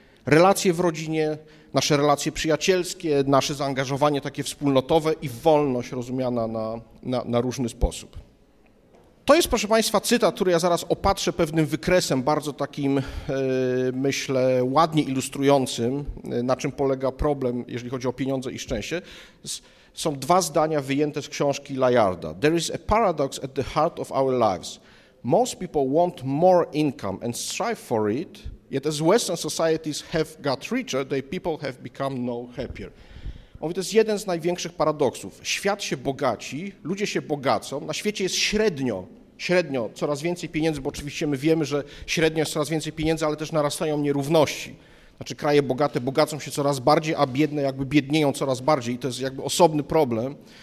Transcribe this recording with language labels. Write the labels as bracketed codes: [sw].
[pl] Relacje w rodzinie, nasze relacje przyjacielskie, nasze zaangażowanie takie wspólnotowe i wolność rozumiana na różny sposób. To jest, proszę Państwa, cytat, który ja zaraz opatrzę pewnym wykresem, bardzo takim, myślę, ładnie ilustrującym, na czym polega problem, jeżeli chodzi o pieniądze i szczęście. Są dwa zdania wyjęte z książki Layarda. [en] There is a paradox at the heart of our lives. Most people want more income and strive for it, yet as Western societies have got richer, they people have become no happier. [pl] Mówi, to jest jeden z największych paradoksów. Świat się bogaci, ludzie się bogacą, na świecie jest średnio coraz więcej pieniędzy, bo oczywiście my wiemy, że średnio jest coraz więcej pieniędzy, ale też narastają nierówności. Znaczy kraje bogate bogacą się coraz bardziej, a biedne jakby biednieją coraz bardziej. I to jest jakby osobny problem.